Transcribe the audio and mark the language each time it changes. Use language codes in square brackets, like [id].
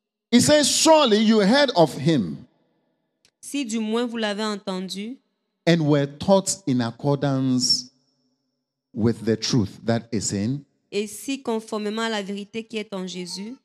[en] He says, surely you heard of him. [fr] Si du moins vous l'avez entendu. [en] And were taught in accordance with the truth that is in. [fr] Et si conformément à la vérité qui est en Jésus.